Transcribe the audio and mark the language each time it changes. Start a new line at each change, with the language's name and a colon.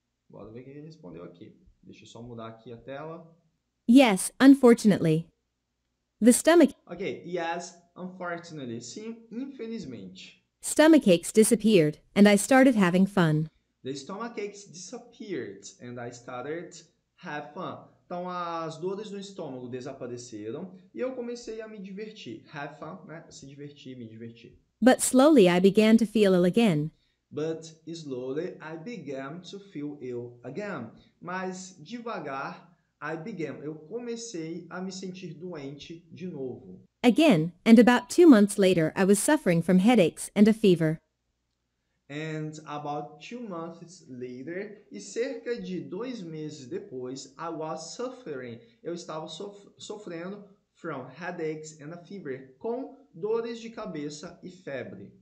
Portuguese: Bora ver quem respondeu aqui. Deixa eu só mudar aqui a tela.
English: Yes, unfortunately. The stomach... Ok, yes, unfortunately.
Portuguese: Sim, infelizmente.
English: Stomach aches disappeared, and I started having fun. The stomach aches disappeared, and I started having fun.
Portuguese: Então, as dores no estômago desapareceram e eu comecei a me divertir. Have fun, né? Se divertir, me divertir.
English: But slowly I began to feel ill again. But slowly I began to feel ill again.
Portuguese: Mas devagar,
English: I began.
Portuguese: Eu comecei a me sentir doente de novo.
English: Again, and about 2 months later, I was suffering from headaches and a fever. And about 2 months later,
Portuguese: e cerca de 2 meses depois,
English: I was suffering.
Portuguese: Eu estava sofrendo
English: from headaches and a fever,
Portuguese: com dores de cabeça e febre.